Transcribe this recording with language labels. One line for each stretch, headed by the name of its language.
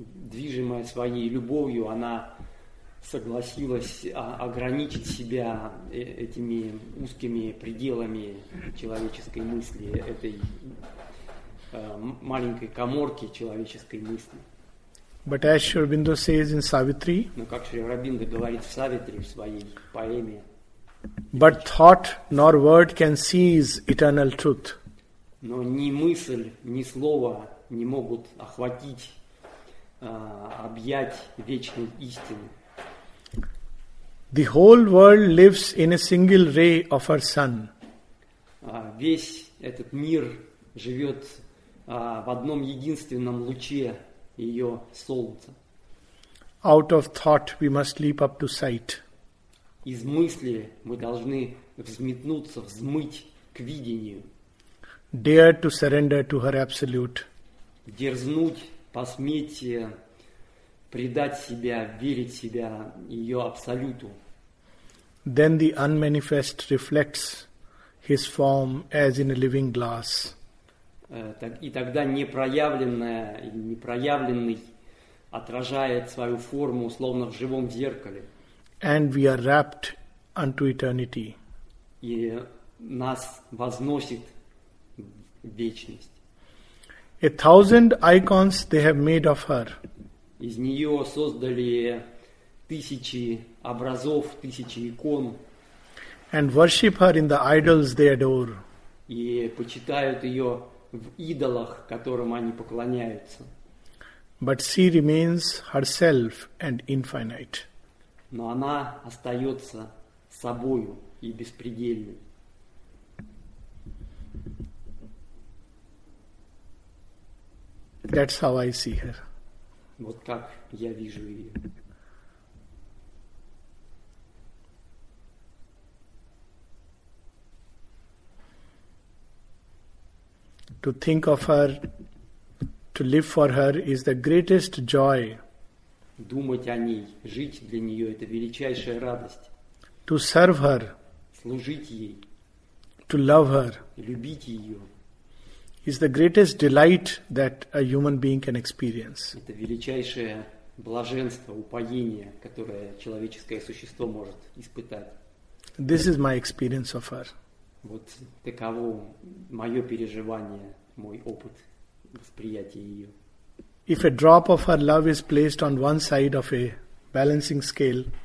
Russian: Движимая своей любовью, она согласилась ограничить себя этими узкими пределами человеческой мысли, этой маленькой каморки человеческой мысли.
English: But as Sri Aurobindo says in Savitri,
Russian: но как Шри Аурабиндо говорит в Савитри, в своей поэме,
English: but thought nor word can seize eternal truth.
Russian: Но ни мысль, ни слово не могут охватить, объять вечной истины.
English: The whole world lives in a single ray of her sun.
Russian: Весь этот мир живет в одном единственном луче ее солнца.
English: Out of thought we must leap up to sight.
Russian: Из мысли мы должны взметнуться, взмыть к видению.
English: Dare to surrender to her absolute.
Russian: Дерзнуть, посметь предать себя, верить себя ее абсолюту.
English: Then the unmanifest reflects his form as in a living glass.
Russian: И тогда непроявленное и непроявленный отражает свою форму словно в живом зеркале.
English: And we are wrapped unto eternity.
Russian: И нас возносит в вечность.
English: A thousand icons they have made of her.
Russian: Из нее создали тысячи образов, тысячи икон.
English: And worship her in the idols they adore.
Russian: И почитают ее в идолах, которым они поклоняются.
English: But she remains herself and infinite.
Russian: Но она остается собою и беспредельной.
English: That's how I see her.
Russian: Вот как я вижу ее.
English: To think of her, to live for her is the greatest joy.
Russian: Думать о ней, жить для нее – это величайшая радость.
English: To serve her.
Russian: Служить ей.
English: To love her.
Russian: Любить ее.
English: Is the greatest delight that a human being can experience.
Russian: Это величайшее блаженство, упоение, которое человеческое существо может испытать.
English: This is my experience of her.
Russian: Вот таково мое переживание, мой опыт восприятия ее.
English: If a drop of her love is placed on one side of a balancing scale,